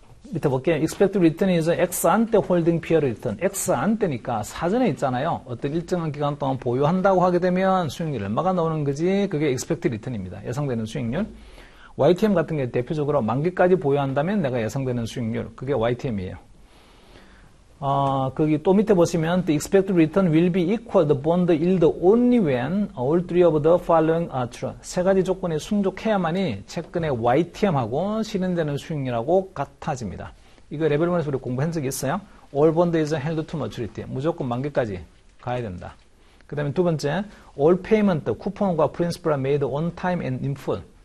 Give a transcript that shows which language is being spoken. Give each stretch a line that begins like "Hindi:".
Korean: 밑에 볼게요.
English: Expected Return is ex-ante holding period return.
Korean: ex-ante니까 사전에 있잖아요. 어떤 일정한 기간 동안 보유한다고 하게 되면 수익률 얼마가 나오는 거지? 그게 Expected Return입니다. 예상되는 수익률. YTM 같은 게 대표적으로 만기까지 보유한다면 내가 예상되는 수익률. 그게 YTM이에요. 거기 또 밑에 보시면
English: The Expected Return will be equal to the bond yield only when all three of the following are true.
Korean: 세 가지 조건이 충족해야만이 채권의 YTM하고 실현되는 수익률하고 같아집니다. 이거 레벨1에서 우리 공부한 적이 있어요.
English: All bond is held to maturity.
Korean: 무조건 만기까지 가야 된다. 그 다음에 두 번째,
English: All payment,
Korean: 쿠폰과
English: principal are made on time and in full.